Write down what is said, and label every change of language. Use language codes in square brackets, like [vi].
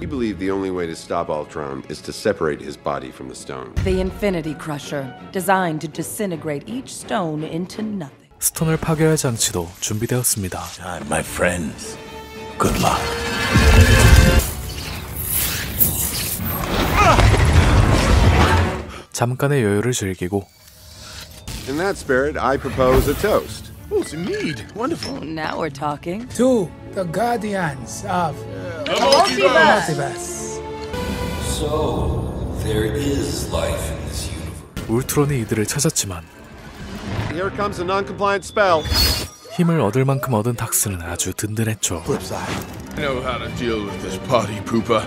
[en] We believe the only way to stop Ultron is to separate his body from the stone. The Infinity Crusher, designed to disintegrate each stone into nothing. [ko] 스톤을 파괴할 장치도 준비되었습니다. [en] My friends, good luck. [ko] (잠깐의 여유를 즐기고 [en] In that spirit, I propose a toast. Oh, it's mead. Wonderful. Now we're talking. To the guardians of the multiverse. So, there is life in this universe. [ko] 울트론이 이들을 찾았지만 [en] Here comes a non-compliant spell. [ko] 힘을 얻을 만큼 얻은 닥스는 아주 든든했죠. [en] Flip side. I know how to deal with this party pooper.